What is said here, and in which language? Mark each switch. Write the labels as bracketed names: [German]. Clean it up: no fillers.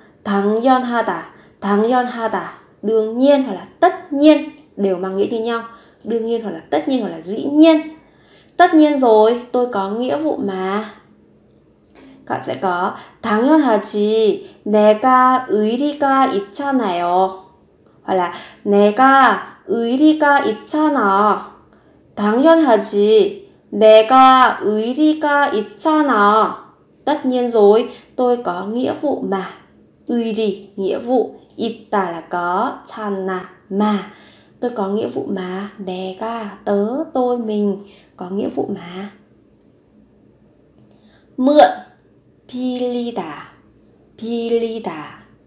[Korean] 당연하다. 당연하다. [Vietnamese] Đương nhiên hoặc là tất nhiên đều mang nghĩa như nhau. Đương nhiên hoặc là tất nhiên hoặc là dĩ nhiên. Tất nhiên rồi, tôi có nghĩa vụ mà. Các bạn sẽ có [Korean] 당연하지 내가 의리가 있잖아요. [Vietnamese] Hoặc là [Korean] 내가 의리가 있잖아. 당연하지 내가 의리가 있잖아. [Vietnamese] Tất nhiên rồi, tôi có nghĩa vụ mà. 의리 nghĩa vụ. 있다 là có, 잖아 mà. Tôi có nghĩa vụ mà. 내가 tớ, tôi, mình có nghĩa vụ mà. Mượn [Korean] 빌리다. 빌리다.